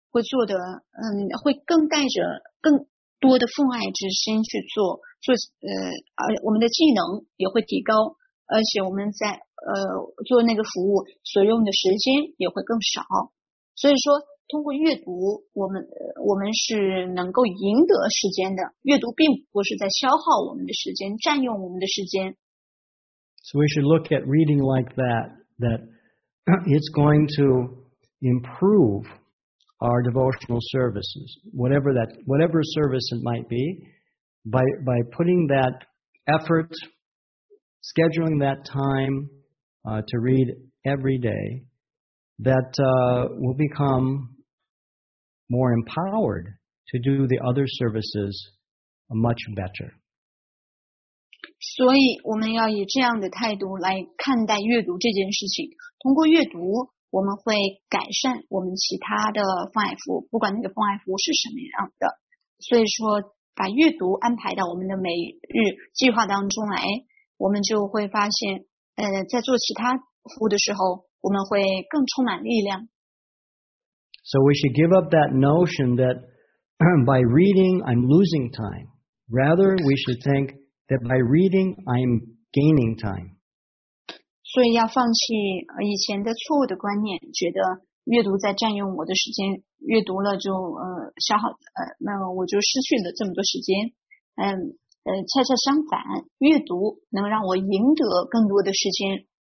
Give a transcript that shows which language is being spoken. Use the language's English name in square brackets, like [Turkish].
[Chinese] 会做的会更带着更多的奉爱之心去做，而我们的技能也会提高，而且我们在做那个服务所用的时间也会更少。所以说通过阅读，我们是能够赢得时间的，阅读并不是在消耗我们的时间，占用我们的时间。 [English] So we should look at reading like that it's going to improve our devotional services, whatever service it might be, by putting that effort, scheduling that time to read every day, that we'll become more empowered to do the other services much better. [Chinese] 所以我们要以这样的态度来看待阅读这件事情。通过阅读，我们会改善我们其他的妨碍服务，不管那个妨碍服务是什么样的。所以说把阅读安排到我们的每日计划当中来，我们就会发现在做其他服务的时候我们会更充满力量。 [English] So we should give up that notion that by reading I'm losing time. Rather, we should think that by reading I'm gaining time. [Chinese] 所以要放弃以前的错误的观念，觉得阅读在占用我的时间，阅读了就消耗那我就失去了这么多时间。恰恰相反，阅读能让我赢得更多的时间。